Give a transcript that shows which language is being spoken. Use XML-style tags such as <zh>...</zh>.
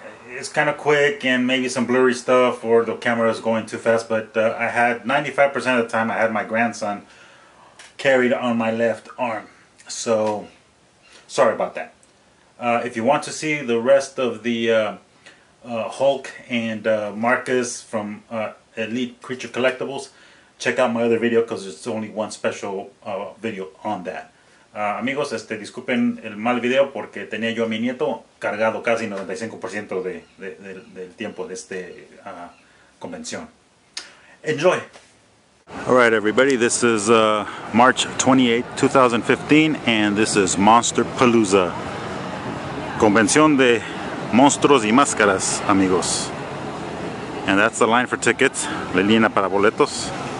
<en>It's kind of quick and maybe some blurry stuff or the camera is going too fast, but I had 95% of the time I had my grandson carried on my left arm. So, sorry about that. If you want to see the rest of the Hulk and Marcus from Elite Creature Collectibles, check out my other video because it's only one special video on that.</en> <es>Amigos, disculpen el mal video porque tenía yo a mi nieto cargado casi 95% del tiempo de este convención.</es> <en>Enjoy! Alright everybody, this is March 28, 2015 and this is Monsterpalooza.</en> <es>Convención de monstruos y máscaras, amigos.</es> <en>And that's the line for tickets.</en> <es>La línea para boletos.</es>